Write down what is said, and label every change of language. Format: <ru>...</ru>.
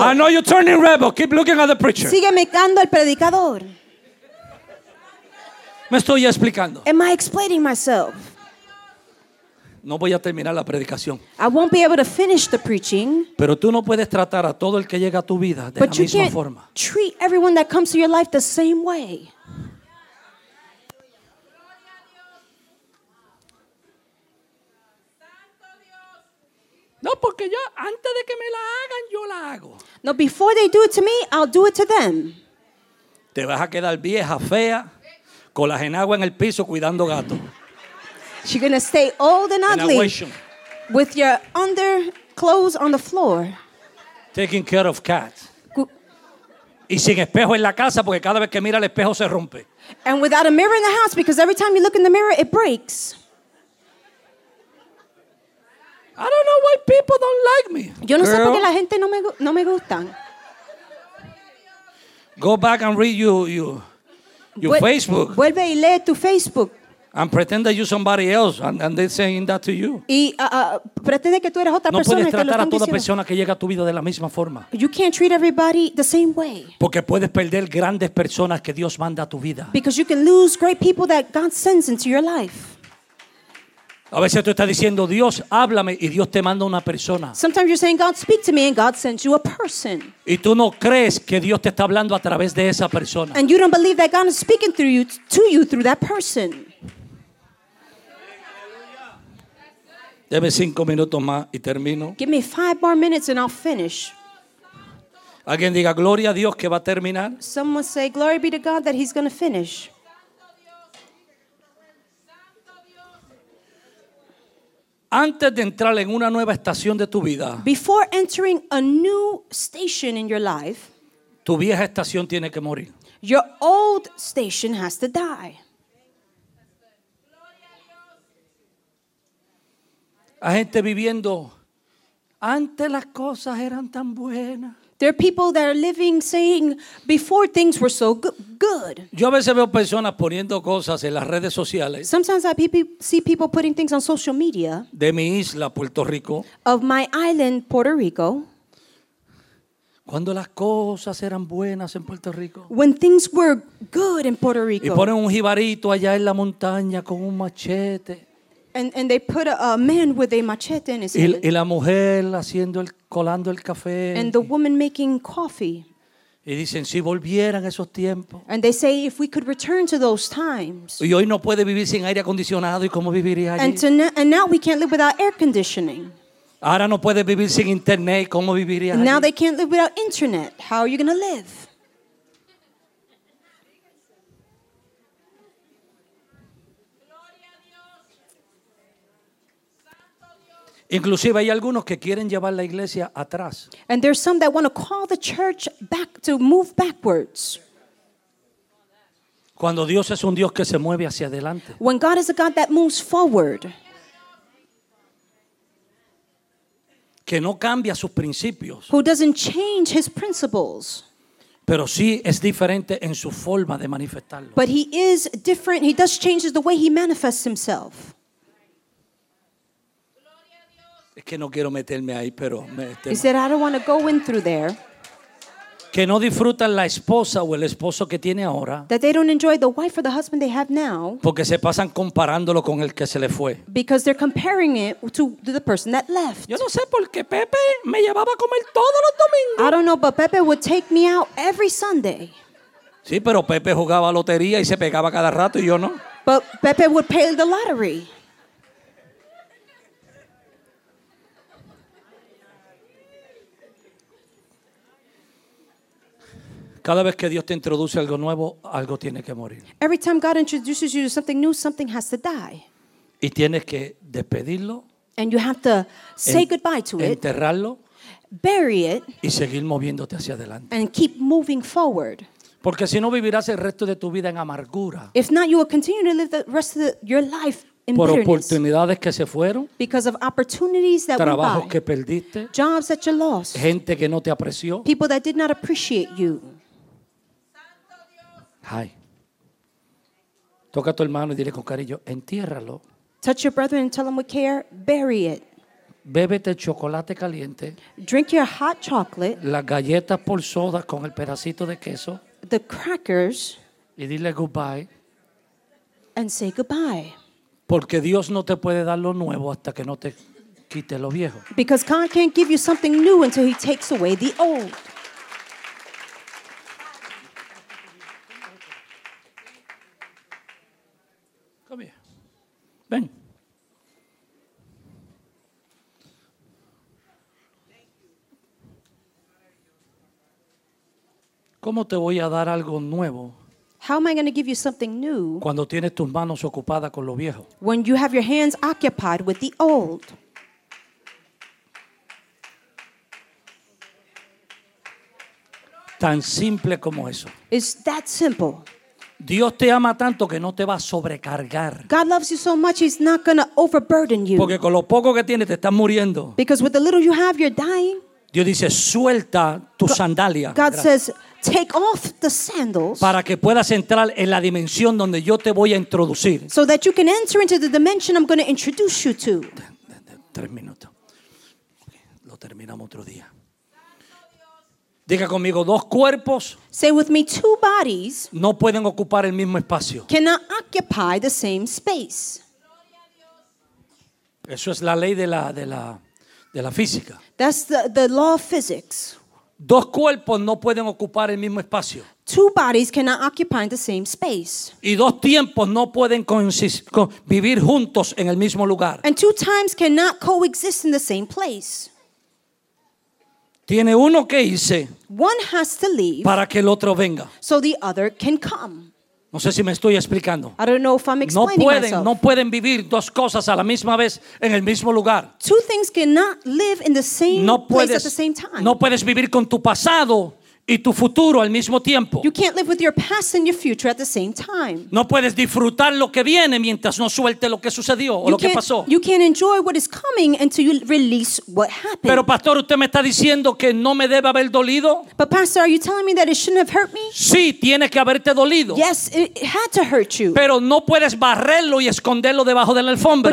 <en>I know you're turning red, but keep looking at the preacher.</en> <es>Sigue mirando al predicador. Me estoy explicando.</es> <en>Am I explaining myself?</en> <es>No voy a terminar la predicación.</es> <en>I won't be able to finish the preaching.</en> <es>Pero tú no puedes tratar a todo el que llega a tu vida de</es> <en>but</en> <es>la misma forma.</es> <en>But you can't treat everyone that comes to your life the same way.</en> <es>No, porque yo antes de que me la hagan, yo la hago.</es> <en>No, before they do it to me, I'll do it to them.</en> <es>Te vas a quedar vieja, fea, con las enaguas en el piso cuidando gato.</es> <en>You're gonna stay old and ugly with your underclothes on the floor. Taking care of cats.</en> <es>Y sin espejo en la casa porque cada vez que mira el espejo se rompe.</es> <en>And without a mirror in the house because every time you look in the mirror, it breaks. I don't know why people don't like me.</en> <es>Yo no</es> <en>girl.</en> <es>Sé por qué la gente no me gustan.</es> <en>Go back and read your Facebook.</en> <es>Vuelve y lee tu Facebook.</es> <en>And pretend that you're somebody else and they're saying that to you.</en> <es>Y pretende que tú eres otra no persona. No puedes tratar a toda persona que llega a tu vida de la misma forma.</es> <en>You can't treat everybody the same way.</en> <es>Porque puedes perder grandes personas que Dios manda a tu vida.</es> <en>Because you can lose great people that God sends into your life.</en> <es>A veces tú estás diciendo Dios, háblame y Dios te manda una persona.</es> <en>Sometimes you're saying God speak to me and God sends you a person.</en> <es>Y tú no crees que Dios te está hablando a través de esa persona.</es> <en>And you don't believe that God is speaking through you to you through that person.</en> <es>Deme 5 minutos más y termino.</es> <en>Give me 5 more minutes and I'll finish.</en> <es>Alguien diga gloria a Dios que va a terminar.</es> <en>Someone say glory be to God that he's going to finish.</en> <es>Antes de entrar en una nueva estación de tu vida.</es> <en>Before entering a new station in your life.</en> <es>Tu vieja estación tiene que morir.</es> <en>Your old station has to die.</en> <es>Hay gente viviendo. Antes las cosas eran tan buenas.</es> <en>There are people that are living saying before things were so good.</en> <es>Yo a veces veo personas poniendo cosas en las redes sociales.</es> <en>Sometimes I see people putting things on social media.</en> <es>De mi isla, Puerto Rico.</es> <en>Of my island, Puerto Rico.</en> <es>Cuando las cosas eran buenas en Puerto Rico.</es> <en>When things were good in Puerto Rico.</en> <es>Y ponen un jibarito allá en la montaña con un machete.</es> <en>And they put a man with a machete in his hand.</en> <es>Y la mujer haciendo el, colando el café.</es> <en>And the woman making coffee.</en> <es>Y dicen, si volvieran esos tiempos.</es> <en>And they say, if we could return to those times.</en> <es>Y hoy no puede vivir sin aire acondicionado, ¿y cómo viviría allí?</es> <en>And now we can't live without air conditioning.</en> <es>Ahora no puede vivir sin internet, ¿cómo viviría allí?</es> <en>Now they can't live without internet. How are you going to live?</en> <es>Inclusive hay algunos que quieren llevar la iglesia atrás.</es> <en>And there's some that want to call the church back to move backwards.</en> <es>Cuando Dios es un Dios que se mueve hacia adelante.</es> <en>When God is a God that moves forward.</en> <es>Que no cambia sus principios.</es> <en>Who doesn't change his principles.</en> <es>Pero sí es diferente en su forma de manifestarlo.</es> <en>But he is different. He does change the way he manifests himself.</en> <es>Es que no quiero meterme ahí, pero me temo.</es> <en>He said, I don't want to go in through there. Que no disfrutan la esposa o el esposo que tiene ahora. That they don't enjoy the wife or the husband they have now.</en> <es>Porque se pasan comparándolo con el que se le fue.</es> <en>Because they're comparing it to the person that left.</en> <es>Yo no sé por qué Pepe me llevaba a comer todos los domingos.</es> <en>I don't know, but Pepe would take me out every Sunday.</en> <es>Sí, pero Pepe jugaba lotería y se pegaba cada rato y yo no.</es> <en>But Pepe would pay the lottery.</en> <es>Cada vez que Dios te introduce algo nuevo, algo tiene que morir.</es> <en>Every time God introduces you to something new, something has to die.</en> <es>Y tienes que despedirlo.</es> <en>And you have to say goodbye to it.</en> <es>Enterrarlo.</es> <en>Bury it.</en> <es>Y seguir moviéndote hacia adelante.</es> <en>And keep moving forward.</en> <es>Porque si no, vivirás el resto de tu vida en amargura.</es> <en>If not, you will continue to live the rest of your life in bitterness.</en> <es>Por oportunidades que se fueron.</es> <en>Because of opportunities that went by.</en> <es>Trabajos que perdiste.</es> <en>Jobs that you lost.</en> <es>Gente que no te apreció.</es> <en>People that did not appreciate you. Hi.</en> <es>Toca a tu hermano y dile con cariño, entiérralo.</es> <en>Touch your brother and tell him with care, bury it.</en> <es>Bébete chocolate caliente.</es> <en>Drink your hot chocolate.</en> <es>Las galletas por soda con el pedacito de queso.</es> <en>The crackers.</en> <es>Y dile goodbye.</es> <en>And say goodbye.</en> <es>Porque Dios no te puede dar lo nuevo hasta que no te quite lo viejo.</es> <en>Because God can't give you something new until he takes away the old.</en> <es>Ven. ¿Cómo te voy a dar algo nuevo?</es> <en>How am I going to give you something new?</en> <es>Cuando tienes tus manos ocupadas con lo viejo.</es> <en>When you have your hands occupied with the old.</en> <es>Tan simple como eso.</es> <en>It's that simple.</en> <es>Dios te ama tanto que no te va a sobrecargar.</es> <en>God loves you so much, he's not going to overburden you.</en> <es>Porque con lo poco que tienes te estás muriendo.</es> <en>Because with the little you have, you're dying.</en> <es>Dios dice, suelta tu sandalia.</es> <en>God says, take off the sandals.</en> <es>Para que puedas entrar en la dimensión donde yo te voy a introducir.</es> <en>So that you can enter into the dimension I'm going to introduce you to.</en> <es>Tres minutos. Lo terminamos otro día. Diga conmigo, dos cuerpos.</es> <en>Say with me, two bodies.</en> <es>No pueden ocupar el mismo espacio.</es> <en>Cannot occupy the same space.</en> <es>Eso es la ley de la física.</es> <en>That's the law of physics.</en> <es>Dos cuerpos no pueden ocupar el mismo espacio.</es> <en>Two bodies cannot occupy the same space.</en> <es>Y dos tiempos no pueden vivir juntos en el mismo lugar.</es> <en>And two times cannot coexist in the same place.</en> <es>Tiene uno que irse.</es> <en>One has to leave.</en> <es>Para que el otro venga.</es> <en>So the other can come.</en> <es>No sé si me estoy explicando.</es> <en>I don't know if I'm explaining myself.</en> <es>No pueden vivir dos cosas a la misma vez en el mismo lugar.</es> <en>Two things cannot live in the same place at the same time.</en> <es>No puedes vivir con tu pasado y tu futuro al mismo tiempo.</es> <en>You can't live with your past and your future at the same time.</en> <es>No puedes disfrutar lo que viene mientras no suelte lo que sucedió o lo que pasó.</es> <en>You can't enjoy what is coming until you release what happened.</en> <es>Pero pastor, usted me está diciendo que no me debe haber dolido.</es> <en>But pastor, are you telling me that it shouldn't have hurt me?</en> <es>Sí, tiene que haberte dolido.</es> <en>Yes, it had to hurt you.</en> <es>Pero no puedes barrerlo y esconderlo debajo de la alfombra.</es>